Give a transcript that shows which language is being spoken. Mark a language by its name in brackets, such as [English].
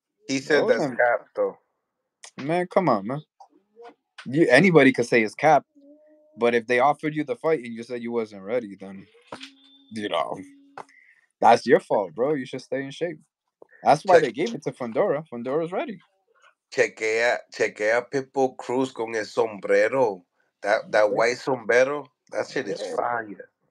[English] He said that's cap, though. Man, come on, man. Anybody could say it's cap. But if they offered you the fight and you said you wasn't ready, then, you know, that's your fault, bro. You should stay in shape. That's why they gave it to Fundora. Fundora's ready. [Spanish] Chequea Pitbull Cruz con el sombrero. [English] That white sombrero, that shit is fire.